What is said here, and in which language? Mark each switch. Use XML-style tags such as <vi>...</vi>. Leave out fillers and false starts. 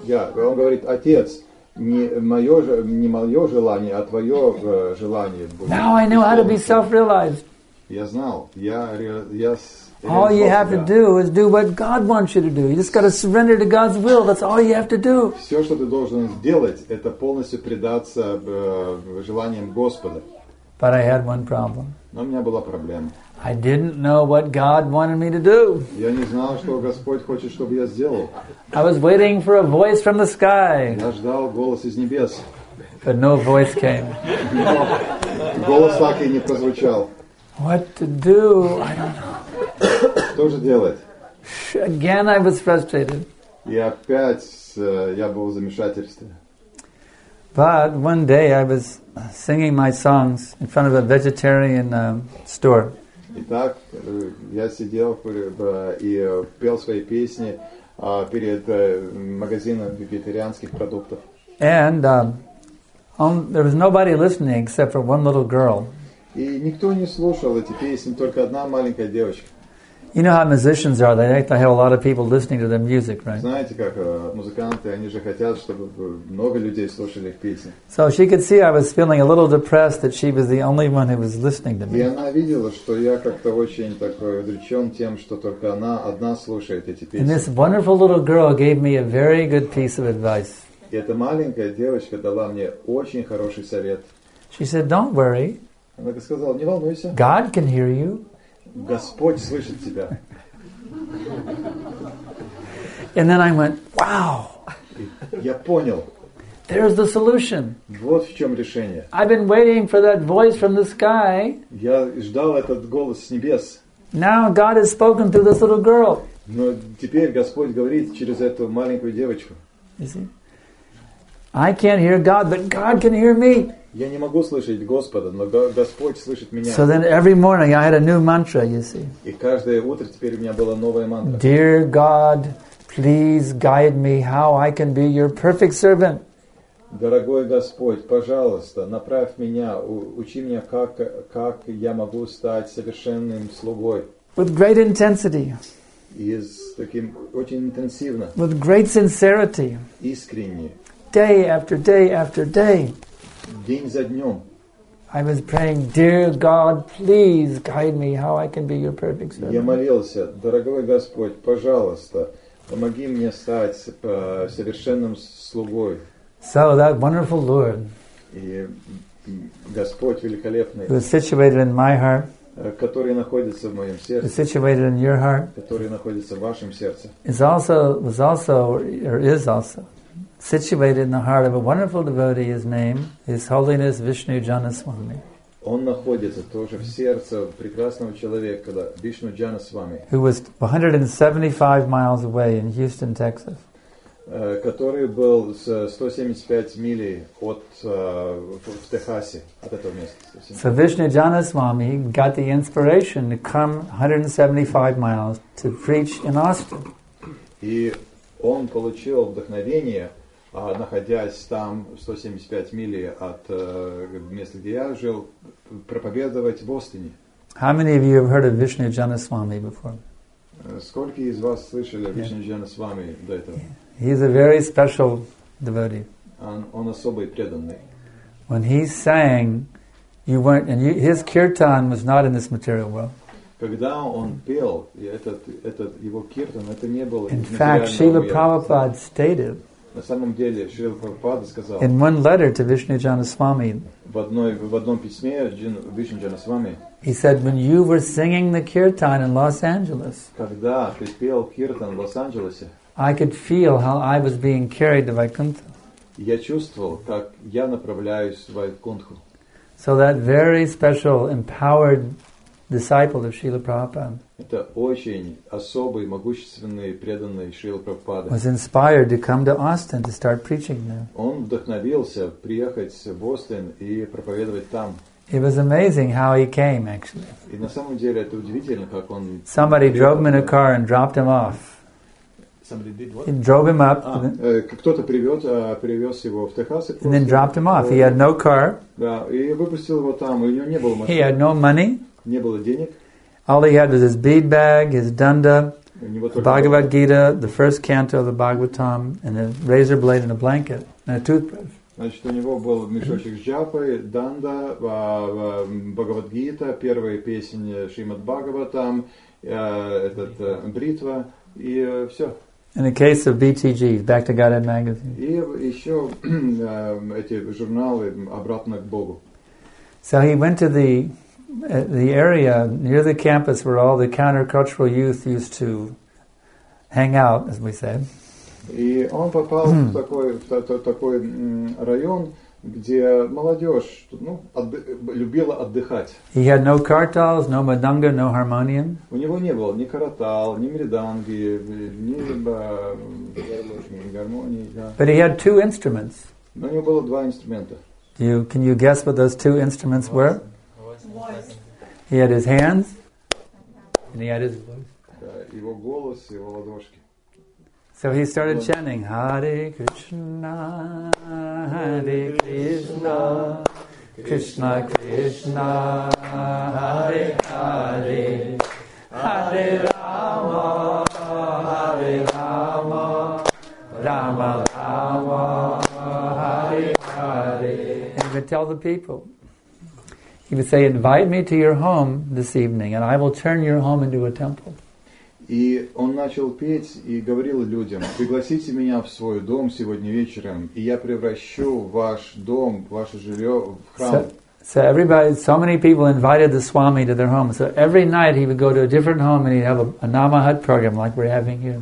<ru>Yeah, он говорит, Отец, не мое желание, а твое желание будет.</ru> <en>Now I knew how to be self-realized.</en> <ru>Я знал, я</ru> <en>All you have to do is do what God wants you to do. You just got to surrender to God's will. That's all you have to do.</en> <ru>Все, что ты должен сделать, это полностью предаться желаниям Господа.</ru> <en>But I had one problem.</en> <ru>Но у меня была проблема.</ru> <en>I didn't know what God wanted me to do.</en> <ru>Я не знал, что Господь хочет, чтобы я сделал.</ru> <en>I was waiting for a voice from the sky.</en> <ru>Я ждал голос из небес.</ru> <en>But no voice came.</en> <ru>Голос так и не прозвучал.</ru> <en>What to do? I don't know.</en> <ru>Что же делать?</ru> <en>Again I was frustrated.</en> <ru>И опять я был в замешательстве.</ru> <en>But one day I was singing my songs in front of a vegetarian store.</en> <ru>Итак, я сидел и пел свои песни перед магазином вегетарианских продуктов.</ru> <en>And there was nobody listening except for one little girl.</en> <ru>И никто не слушал эти песни, только одна маленькая девочка.</ru> <en>You know how musicians are, they like to have a lot of people listening to their music, right?</en> <ru>Знаете, как музыканты, они же хотят, чтобы много людей слушали их песни.</ru> <en>So she could see I was feeling a little depressed that she was the only one who was listening to me.</en> <ru>И она видела, что я как-то очень такой удручен тем, что только она одна слушает эти песни.</ru> <en>And this wonderful little girl gave me a very good piece of advice.</en> <ru>И эта маленькая девочка дала мне очень хороший совет.</ru> <en>She said, don't worry.</en> <ru>Она сказала, не волнуйся.</ru> <en>God can hear you.</en> <ru>Господь слышит тебя.</ru> <en>And then I went, wow.</en> <ru>Я понял.</ru> <en>There's the solution.</en> <ru>Вот в чем решение.</ru> <en>I've been waiting for that voice from the sky.</en> <ru>Я ждал этот голос с небес.</ru> <en>Now God has spoken through this little girl.</en> <ru>Но теперь Господь говорит через эту маленькую девочку.</ru> <en>You see? I can't hear God, but God can hear me.</en> <ru>Я не могу слышать Господа, но Господь слышит меня.</ru> <en>So then every morning I had a new mantra, you see.</en> <ru>И каждое утро теперь у меня была новая мантра.</ru> <en>Dear God, please guide me how I can be your perfect servant.</en> <ru>Дорогой Господь, пожалуйста, направь меня, учи меня, как я могу стать совершенным слугой.</ru> <en>With great intensity.</en> <ru>И с таким очень интенсивно.</ru> <en>With great sincerity.</en> <ru>Искренне.</ru> <en>Day after day after day.</en> <ru>День за днем.</ru> <en>I was praying, dear God, please guide me how I can be your perfect servant.</en> <ru>Я молился, дорогой Господь, пожалуйста, помоги мне стать совершенным слугой.</ru> <en>So that wonderful Lord.</en> <ru>И Господь великолепный.</ru> <en>Who is situated in my heart.</en> <ru>Который находится в моем сердце.</ru> <en>Is situated in your heart.</en> <ru>Который находится в вашем сердце.</ru> <en>Is also. Situated in the heart of a wonderful devotee, his name, His Holiness Vishnu Janaswami.</en> <ru>Он находится тоже в сердце прекрасного человека, да, Вишну Джанасвами.</ru> <en>Who was 175 miles away in Houston, Texas.</en> <ru>Который был 175 миль от в Техасе, от этого места.</ru> <en>So Vishnu Janaswami got the inspiration to come 175 miles to preach in Austin.</en> <ru>И он получил вдохновение, находясь там 175 миль от места, где я жил, проповедовать в Остине.</ru> <en>How many of you have heard of Vishnu Janaswami before?</en> <ru>Сколько из вас слышали о Вишну Джанасвами до этого?</ru> <en>He's a very special devotee.</en> <ru>Он особый преданный.</ru> <en>When he sang, you weren't, and you, his kirtan was not in this material world.</en> <ru>Когда он пел, этот его киртан, это не было.</ru> <en>In fact, Srila Prabhupada stated.</en> <ru>На самом деле, Шрила Прабхупада сказал.</ru> <en>In one letter to Vishnu Janaswami.</en> <ru>В одном письме Вишну Джанасвами.</ru> <en>He said, when you were singing the kirtan in Los Angeles.</en> <ru>Когда ты пел киртан в Лос-Анджелесе.</ru> <en>I could feel how I was being carried to Vaikuntha.</en> <ru>Я чувствовал, как я направляюсь в Вайкунтху.</ru> <en>So that very special, empowered disciple of Srila Prabhupada.</en> <ru>Это очень особый, могущественный, преданный Шрила Прабхупада.</ru> <en>Was inspired to come to Austin to start preaching there.</en> <ru>Он вдохновился приехать в Остин и проповедовать там.</ru> <en>It was amazing how he came, actually.</en> <ru>И на самом деле это удивительно, как он.</ru> <en>Somebody drove him in a car and dropped him off. He drove him up.</en> <ru>Кто-то привез его в Техас.</ru> <en>And then dropped him off. He had no car.</en> <ru>Да, и выпустил его там. У него не было машины.</ru> <en>He had no money.</en> <ru>Не было денег.</ru> <en>All he had was his bead bag, his danda, Bhagavad Gita, the first canto of the Bhagavatam, and a razor blade and a blanket and a toothbrush.</en> <ru>Значит, у него был мешочек с джапой, данда, Бхагавад Гита, первая песня Шримад Бхагаватам, этот бритва и все.</ru> <en>In the case of BTG, Back to Godhead magazine.</en> <ru>И еще эти журналы «Обратно к Богу».</ru> <en>So he went to the area near the campus where all the countercultural youth used to hang out, as we said.</en> <ru>И он попал в такой район, где молодежь, ну, любила отдыхать.</ru> <en>He had no kartals, no madanga, no harmonium.</en> <ru>У него не было ни картал, ни мриданги, ни гармонии.</ru> <en>But he had two instruments.</en> <ru>Но у него было два инструмента.</ru> <en>Can you guess what those two instruments were? He had his hands, and he had his voice.</en> <ru>Его голос, его ладошки.</ru> <en>So he started chanting, Hare Krishna, Hare Krishna, Krishna Krishna, Hare Hare, Hare Rama, Hare Rama, Rama Rama, Hare Hare. And he would tell the people, he would say, invite me to your home this evening and I will turn your home into a temple.</en> <ru>И он начал петь и говорил людям, пригласите меня в свой дом сегодня вечером, и я превращу ваш дом, ваше жилье в храм.</ru> <en>So everybody, so many people invited the Swami to their home. So every night he would go to a different home and he'd have a Namahat program like we're having here.</en>